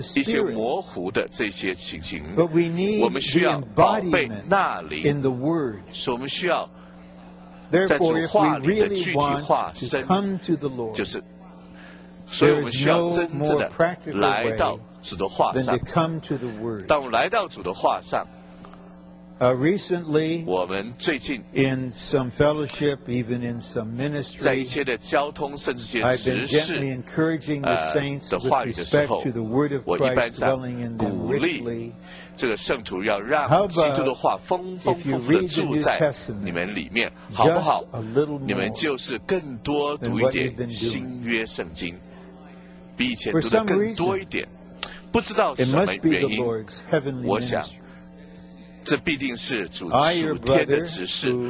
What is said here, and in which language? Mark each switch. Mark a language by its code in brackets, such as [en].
[zh] 一些模糊的这些情形我们需要宝贝那里所以我们需要在主话里的具体化身就是所以我们需要真正的来到主的话上当我们来到主的话上 [en] Recently, [zh] 我们最近 [en] in some fellowship, even in some ministry, [zh] 在一些的交通甚至一些执事 [en] I've been gently encouraging the saints with respect to the word of Christ dwelling in them richly. [zh] 这个圣徒要让基督的话丰丰富富地住在你们里面，好不好？你们就是更多读一点新约圣经，比以前读的更多一点。不知道什么原因，我想这必定是主属天的指示。